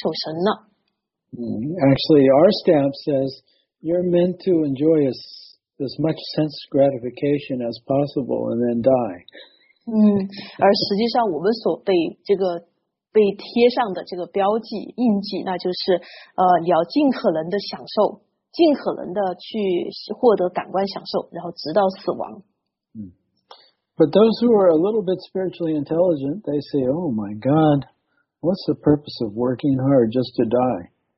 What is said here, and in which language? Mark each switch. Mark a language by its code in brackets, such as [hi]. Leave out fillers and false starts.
[zh] 当我们还在母亲子宫里的时候，我们可没有在脑袋上被印一个这个印章印记，在写着哦，你的人生目的就是要回归守神了。Actually, [en] our stamp says you're meant to enjoy as much sense gratification as possible and then die. [zh] 而实际上我们所被这个 被贴上的这个标记印记，那就是要尽可能的享受，尽可能的去获得感官享受，然后直到死亡。 [en] But those who are a little bit spiritually intelligent, they say, "Oh my God, what's the purpose of working hard just to die?"